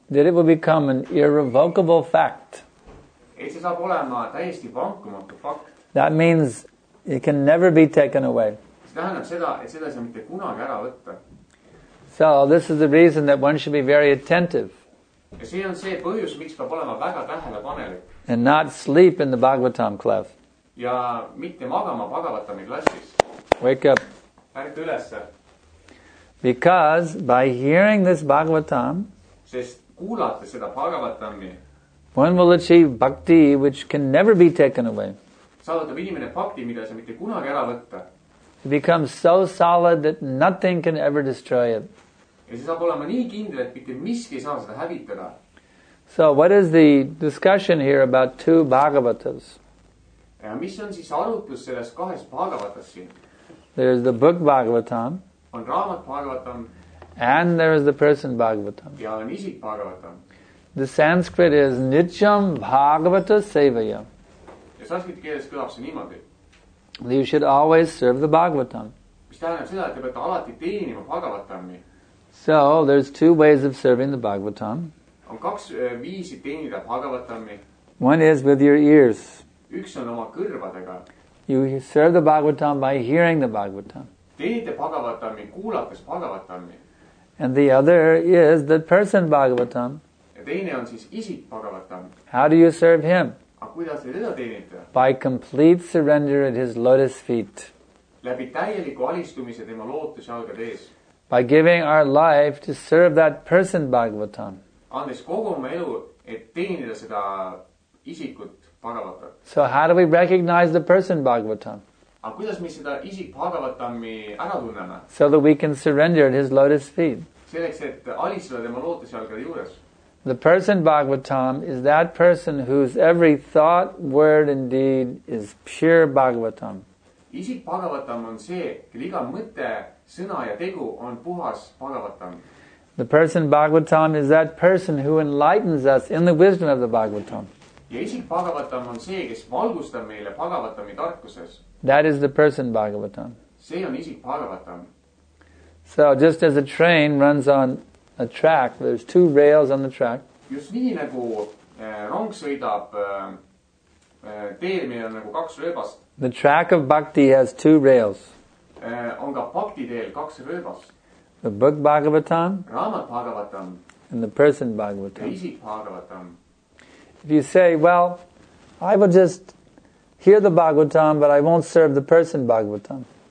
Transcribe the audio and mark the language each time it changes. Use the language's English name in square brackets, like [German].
[English] That it will become an irrevocable fact. [Estonian] Et see saab olema täiesti vankumatu fakt. [English] That means it can never be taken away. [Estonian] See tähendab seda, et seda ei saa mitte kunagi ära võtta. [English] So, this is the reason that one should be very attentive. [Estonian] Ja see on see põhjus, miks peab olema väga tähelepanelik. [English] And not sleep in the Bhagavatam class. [Estonian] Ja mitte magama Bhagavatami klassis. [English] Wake up. [Estonian] Ärk ülesse. [English] Because by hearing this Bhagavatam, [Estonian] sest kuulate seda Bhagavatami, [English] one will achieve bhakti, which can never be taken away. [Estonian] Saavutab inimene bhakti, mida sa mitte kunagi ära võtta. [English] It becomes so solid that nothing can ever destroy it. [Estonian] Ja see saab olema nii kindel, et mitte miski ei saa seda hävitada. [English] So what is the discussion here about two Bhagavatas? [Estonian] Ja mis on siis arutlus selles kahes Bhagavatas siin? [English] There is the book Bhagavatam. [Estonian] On raamat Bhagavatam. [English] And there is the person Bhagavatam. [Estonian] Ja on isik Bhagavatam. [English] The Sanskrit is [Sanskrit] Nityam Bhagavata Sevaya. [Estonian] Ja sanskrit keeles kõlab see niimoodi. [English] You should always serve the Bhagavatam. [Estonian] Mis tähendab seda, et te peate alati teenima Bhagavatami. [English] So there's two ways of serving the Bhagavatam. [Estonian] On kaks viisi teenida Bhagavatami. [English] One is with your ears. [Estonian] Üks on oma kõrvadega. [English] You serve the Bhagavatam by hearing the Bhagavatam. [Estonian] Teenite Bhagavatami, kuulates Bhagavatami. [English] And the other is the person Bhagavatam. [Estonian] Ja teine on siis isik Bhagavatam. [English] How do you serve him? [Estonian] A kuidas te teda teenite? [English] By complete surrender at his lotus feet. [Estonian] Läbi täieliku alistumise tema lootuse jalgade ees. [English] By giving our life to serve that person Bhagavatam. [Estonian] Andes kogu oma elu, et teenida seda isikut Bhagavatam. [English] So how do we recognize the person Bhagavatam? [Estonian] Aga kuidas me seda isik Bhagavatami ära tunneme? [English] So that we can surrender at his lotus feet. [Estonian] Selleks, et alistada tema lootusjalgade juures. [English] The person Bhagavatam is that person whose every thought, word and deed is pure Bhagavatam. [Estonian] Isik Bhagavatam on see, kelle iga mõte, sõna ja tegu on puhas Bhagavatam. [English] The person Bhagavatam is that person who enlightens us in the wisdom of the Bhagavatam. [Estonian] Ja isik Bhagavatam on see, kes valgustab meile Bhagavatami tarkuses. [English] That is the person Bhagavatam. [Estonian] See on isik Bhagavatam. [English] So just as a train runs on a track, there's two rails on the track. [Estonian] Just nii nagu rong sõidab teel, meil on nagu kaks rööbast. [English] The track of bhakti has two rails. [Estonian] On ka bhakti teel kaks rööbast. [English] The book Bhagavatam, [Estonian] Ramat Bhagavatam, [English] and the person Bhagavatam. [Estonian] Isik Bhagavatam. [English] If you say, well, I will just hear the Bhagavatam, but I won't serve the person Bhagavatam.